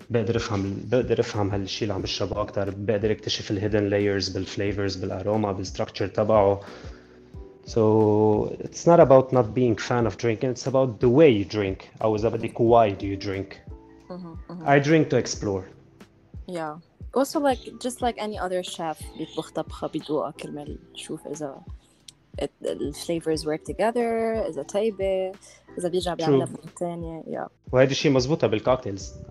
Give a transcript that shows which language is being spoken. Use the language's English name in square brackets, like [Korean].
[Arabic] بقدر افهم هالشيء اللي عم بشربه اكثر، بقدر اكتشف الهيدن لايرز بالفليفرز بالاروما بالستركتشر تبعه. [English] So it's not about not being fan of drinking, it's about the way you drink. I was about like, why do you drink? I drink to explore. Yeah. Also, like, just like any other chef, [Arabic] بيطبخ طبخة بيدوق أكل مال يشوف إذا [English] the flavors work together, [Arabic] إذا طيبة, إذا بيجع بيعملها بمتانية. [English] Yeah. [Arabic] وهذا الشيء مزبوطة بالكوكتيلز.